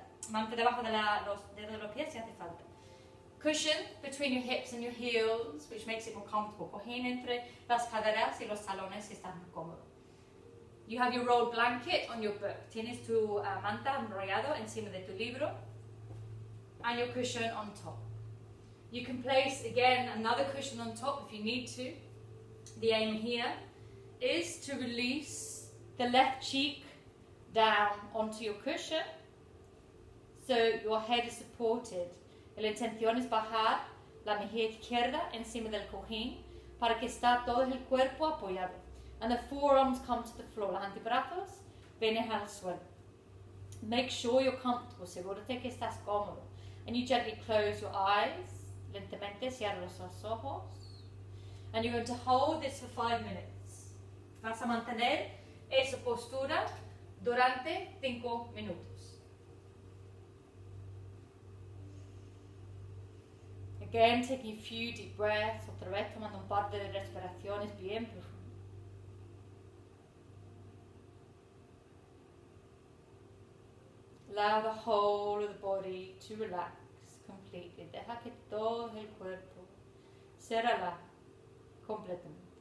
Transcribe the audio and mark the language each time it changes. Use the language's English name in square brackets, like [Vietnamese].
[Spanish] Manta debajo de los dedos de los pies, si hace falta. [English] Cushion between your hips and your heels, which makes it more comfortable. [Spanish] Cojín entre las caderas y los talones, si estás más cómodo. [English] You have your rolled blanket on your book. [Spanish] Tienes tu manta enrollado encima de tu libro. [English] And your cushion on top. You can place, again, another cushion on top if you need to. The aim here is to release the left cheek down onto your cushion so your head is supported. [Spanish] La intención es bajar la mejilla izquierda encima del cojín para que esté todo el cuerpo apoyado. [English] And the forearms come to the floor. [Spanish] Los antebrazos vienen al suelo. [English] Make sure you're comfortable. [Spanish] Asegúrate que estás cómodo. [English] And you gently close your eyes. [Spanish] Lentamente cierra los ojos. [English] And you're going to hold this for 5 minutes. [Spanish] Vas a mantener esa postura durante 5 minutos. [English] Again, taking a few deep breaths. [Spanish] Otra vez tomando un par de respiraciones bien profundas. [English] Allow the whole of the body to relax. Completely. [Spanish] Deja que todo el cuerpo se relaje completamente.